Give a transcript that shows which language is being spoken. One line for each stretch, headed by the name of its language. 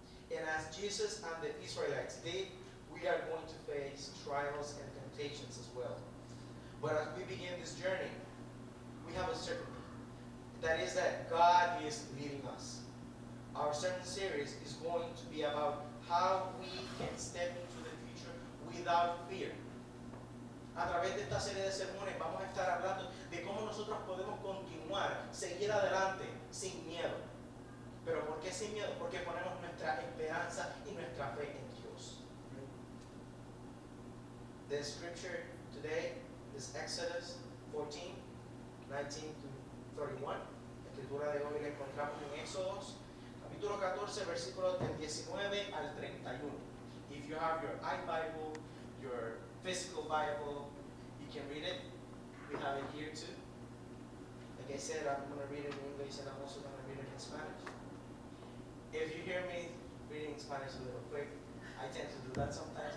English: And as Jesus and the Israelites did, we are going to face trials and temptations as well. But as we begin this journey, we have a certainty. That is that God is leading us. Our sermon series is going to be about how we can step into the future without fear.
Spanish: A través de esta serie de sermones vamos a estar hablando de cómo nosotros podemos continuar, seguir adelante sin miedo. Pero ¿por qué sin miedo? Porque ponemos nuestra esperanza y nuestra fe en Dios.
English: The scripture today is Exodus 14, 19 to 31.
Spanish: La escritura de hoy la encontramos en Éxodos, capítulo 14, versículos del 19 al 31.
English: If you have your iBible, your physical Bible, you can read it. We have it here too. Like I said, I'm going to read it in English and I'm also going to read it in Spanish. If you hear me reading Spanish a little quick, I tend to do that sometimes.